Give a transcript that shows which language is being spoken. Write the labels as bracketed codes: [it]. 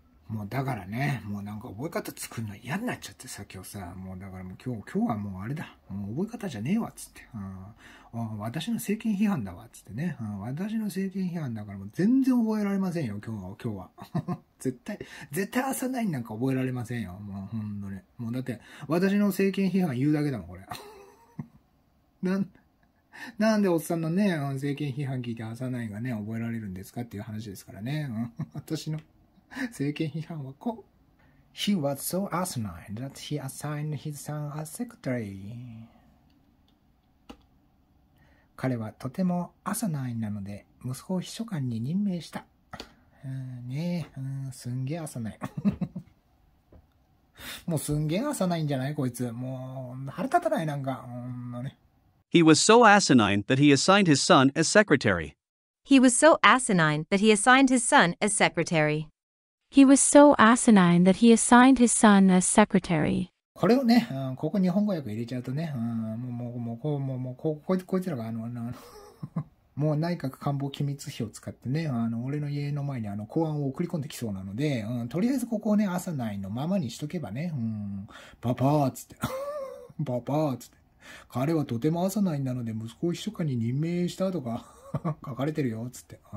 [ja] もうだからね、もうなんか覚え方作るの嫌になっちゃってさ、今日さ、もうだからもう今日はもうあれだ、もう覚え方じゃねえわっつって、うん、あ私の政権批判だわっつってね、うん、私の政権批判だからもう全然覚えられませんよ、今日は絶対朝ないなんか覚えられませんよ、もうほんのね、もうだって私の政権批判言うだけだもんこれ。なんでおっさんのね、政権批判聞いて朝ないがね覚えられるんですかっていう話ですからね、私の政権批判はこう。 [en] He was so asinine that he assigned his son as secretary. [ja] 彼はとても asinine なので息子を秘書官に任命した。ねえ、すんげえ asinine。もうすんげえ asinine じゃないこいつ。もう腹立たないなんか。うんね、 [en] he was so asinine that he assigned his son as secretary. He was so asinine that he assigned his son as secretary. He was so asinine that he assigned his son as secretary. [ja] これをね、うん、ここ日本語訳入れちゃうとね、うん、もうこいつらがあのもう内閣官房機密費を使ってね、あの俺の家の前にあの公安を送り込んできそうなので、うん、とりあえずここをね、asinineのままにしとけばね、うん、パパーっつって、パパーっつって、彼はとても asinineなので息子を秘書官に任命したとか書かれてるよっつって。